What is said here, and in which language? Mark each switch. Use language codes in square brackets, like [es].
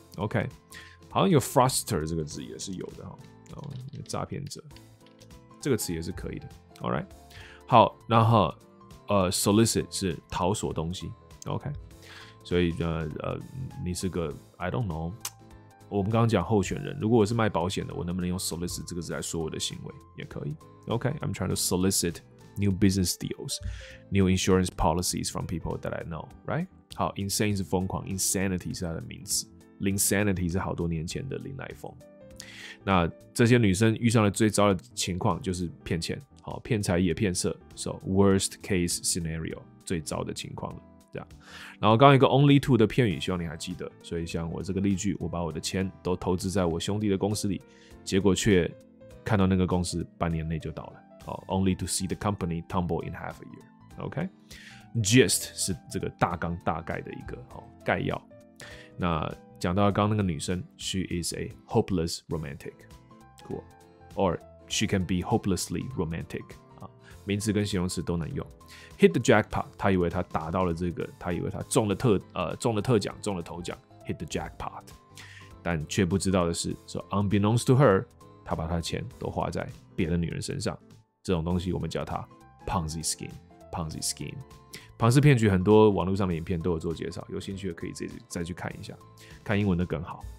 [zh] OK， 好像有 fraudster 这个字也是有的，诈骗者这个词也是可以的。 Alright， 好，然后solicit 是讨索东西。 OK， 所以你是个 [en] I don't know， [zh] 我们刚刚讲候选人，如果我是卖保险的，我能不能用 solicit 这个字来说我的行为也可以。 [en] OK， I'm trying to solicitNew business deals, new insurance policies from people that I know, right? [zh] 好 ，insane 是疯狂 ，insanity 是它的名词 ，insanity 是好多年前的林乃峰。那这些女生遇上了最糟的情况就是骗钱，好，骗财也骗色 ， [en] so worst case scenario [zh] 最糟的情况了，这样。然后刚一个 only two 的片语，希望你还记得。所以像我这个例句，我把我的钱都投资在我兄弟的公司里，结果却看到那个公司半年内就倒了。 [en] Only to see the company tumble in half a year. [zh] Okay, gist 是这个大纲大概的一个概要。那讲到刚那个女生 [en] ，she is a hopeless romantic. Cool, or she can be hopelessly romantic. [zh] 名词跟形容词都能用。 Hit the jackpot， 他以为他达到了这个，他以为他中了特奖，中了头奖 ，hit the jackpot， 但却不知道的是 ， [en] so unbeknownst to her， [zh] 他把他的钱都花在别的女人身上。这种东西我们叫它 Ponzi scheme， Ponzi scheme， 庞氏骗局很多网络上的影片都有做介绍，有兴趣的可以再去看一下，看英文的更好。